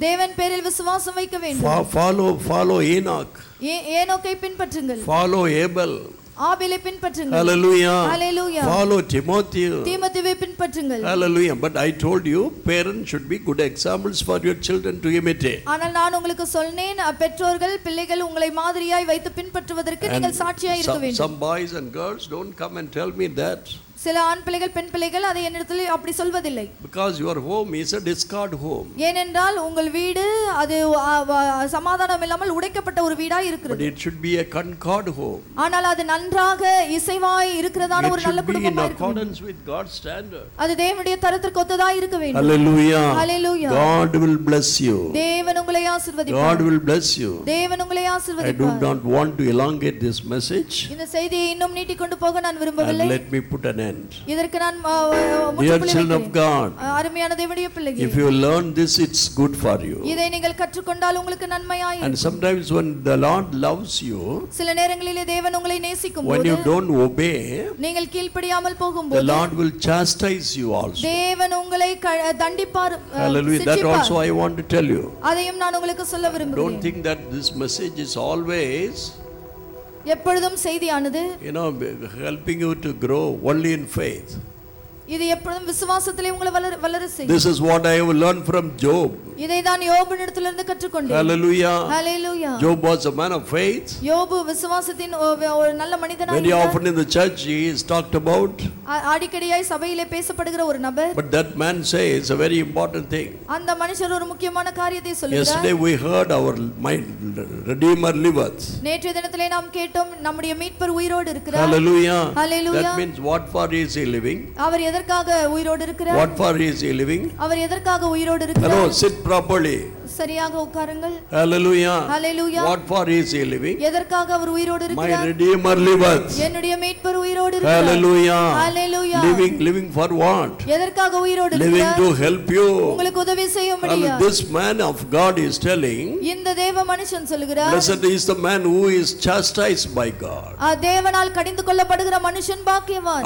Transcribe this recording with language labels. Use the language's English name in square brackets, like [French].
[Tamil] தேவன் பேரில் விசுவாசம் வைக்க வேண்டும் [English] follow Enoch [Tamil] ஏனோக்கை பின்பற்றுங்கள் [English] follow Abel [Tamil] ஆபிலை பின்பற்றுங்கள் [English] Hallelujah Hallelujah follow Timotheus [Tamil] தீமோத்தேயுவை பின்பற்றுங்கள் [English] Hallelujah but I told you parents should be good examples for your children to imitate [Tamil] ஆனால் நான் உங்களுக்கு சொன்னேன் பெற்றோர்கள் பிள்ளைகள் உங்களை மாதிரியாய் வைத்து பின்பற்றுவதற்கு நீங்கள் சாட்சியாய் இருக்க வேண்டும் [English] some boys and girls don't come and tell me that [Tamil] சில ஆண் பிள்ளைகள் பெண் பிள்ளைகள் அதை என்னிடத்தில் அப்படி சொல்வதில்லை [English] because your home is a discard home [Tamil] ஏனென்றால் உங்கள் வீடு அது சமாதானம் இல்லாமல் உடைக்கப்பட்ட ஒரு வீடாய் இருக்கிறது [English] but it should be a concord home [Tamil] ஆனால் அது நன்றாக இசைவாய் இருக்கிறதான ஒரு நல்ல குடும்பமா இருக்கும் [English] in accordance with god's standard [Tamil] அது தேவனுடைய தரத்துக்கு ஒத்ததாய் இருக்க வேண்டும் [English] hallelujah hallelujah god will bless you [Tamil] தேவன் உங்களை ஆசீர்வதிப்பார் [English] god will bless you [Tamil] தேவன் உங்களை ஆசீர்வதிப்பார் [English] i do not want to elongate this message [Tamil] இந்த செய்தியை இன்னும் நீட்டி கொண்டு போக நான் விரும்பவில்லை [English] let me put an [Tamil] இதற்கு நான் முற்றிலும் [English] children of god [Tamil] அருமையான தேவனுடைய பிள்ளைகளே [English] if you learn this it's good for you [Tamil] இதை நீங்கள் கற்றுக்கொண்டால் உங்களுக்கு நன்மையாய் [English] and sometimes when the lord loves you [Tamil] சில நேரங்களிலே தேவன் உங்களை நேசிக்கும் போது [English] when you don't obey [Tamil] நீங்கள் கீழ்ப்படியாமல் போகும்போது [English] the lord will chastise you also [Tamil] தேவன் உங்களை தண்டிப்பார் [English] hallelujah that also I want to tell you [Tamil] அதையும் நான் உங்களுக்கு சொல்ல விரும்புகிறேன் [English] don't think that this message is always [Tamil] எப்பொழுதும் செய்தியானது [English] you know helping you to grow only in faith [Tamil] இது எப்பொழுதும் விசுவாசத்திலே உங்களை வளர செய்யும் [English] this is what I have learned from job [Tamil] இதை தான் யோபுவினிடத்திலிருந்து கற்றுக்கொண்டேன் [English] hallelujah hallelujah job was a man of faith [Tamil] யோபு விசுவாசத்தின் ஒரு நல்ல மனிதனாக இருந்தார் [English] very often in the church he is talked about [Tamil] ஆடிக்கடியாய் சபையிலே பேசப்படுகிற ஒரு நபர் [English] but that man says a very important thing [Tamil] அந்த மனுஷர் ஒரு முக்கியமான காரியத்தை சொல்கிறார் [English] yesterday we heard our redeemer lives [Tamil] நேற்றைய தினத்திலே நாம் கேட்டோம் நம்முடைய மீட்பர் உயிரோடு இருக்கிறார் [English] hallelujah hallelujah that means what for is he living [Tamil] அவர் எதற்காக உயிரோடு இருக்கிறார்? [English] What for is he living? [Tamil] அவர் எதற்காக உயிரோடு இருக்கிறார்? [English] Hello, sit properly. [Tamil] சரியாக உட்காருங்கள். [English] Hallelujah. Hallelujah. What for is he living? [Tamil] எதற்காக அவர் உயிரோடு இருக்கிறார்? [English] My Redeemer liveth. [Tamil] என்னுடைய மீட்பர் உயிரோடு இருக்கிறார். [English] Hallelujah. Hallelujah. Living for what? [Tamil] எதற்காக உயிரோடு இருக்கிறார்? [English] Living to help you. [Tamil] உங்களுக்கு உதவி செய்ய முடியும். [English] This man of God is telling. [Tamil] இந்த தேவ மனுஷன் சொல்கிறார். [English] Blessed is the man who is chastised by God. [Tamil] ஆ தேவனால் கடிந்து கொள்ளப்படுகிற மனுஷன் பாக்கியவான்.